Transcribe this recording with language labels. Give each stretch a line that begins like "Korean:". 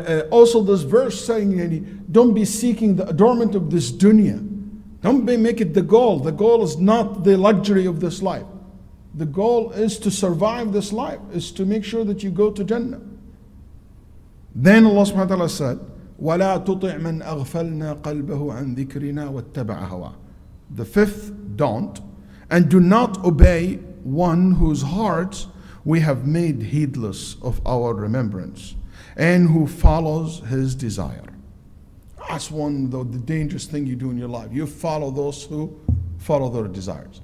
English: Also, this verse saying, don't be seeking the adornment of this dunya. Don't make it the goal. The goal is not the luxury of this life. The goal is to survive this life, is to make sure that you go to Jannah.
Arabic: Then Allah subhanahu wa ta'ala said, وَلَا تُطِعْ مَنْ أَغْفَلْنَا قَلْبَهُ عَنْ ذِكْرِنَا وَاتَّبَعَ هَوَى.
English: The fifth, don't. And do not obey one whose heart we have made heedless of our remembrance, and who follows his desire. That's one of the dangerous thing you do in your life. You follow those who follow their desires.